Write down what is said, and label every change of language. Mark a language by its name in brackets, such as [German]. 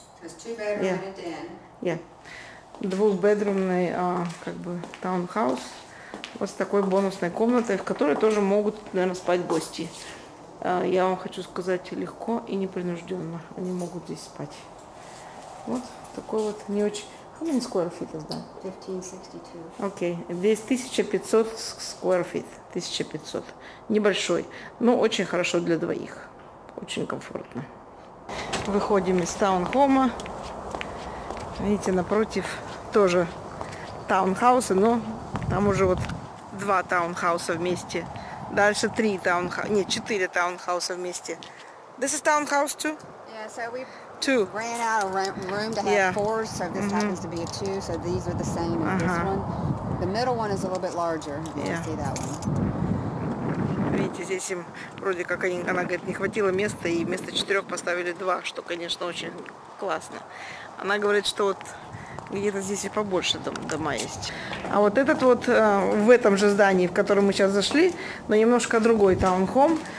[English] Just two bedroom and a den. Yeah. [Russian] Двухбедрумный как бы таунхаус. Вот с такой бонусной комнатой, в которой тоже могут, наверное, спать гости. Я вам хочу сказать, легко и непринужденно. Они могут здесь спать. Вот такой вот не очень. [English] How many square feet is that? 1562. Окей. Okay. [Russian] Здесь 1500 square feet. 1500. Небольшой. Но очень хорошо для двоих. Очень комфортно. Выходим из таунхома. Видите, напротив тоже таунхаусы, но там уже вот два таунхауса вместе. Дальше три таунхауса. Нет, четыре таунхауса вместе. [English] This is townhouse too? Yeah, so we... Two. Ran out of room to have four, so this happens to be a two, so these are the same as this one. The middle one is a little bit larger. See that one. [Russian] Видите, здесь им вроде как они, она говорит, не хватило места, и вместо четырех поставили два, что, конечно, очень классно. Она говорит, что вот где-то здесь и побольше дома есть. А вот этот вот в этом же здании, в котором мы сейчас зашли, но немножко другой таунхом.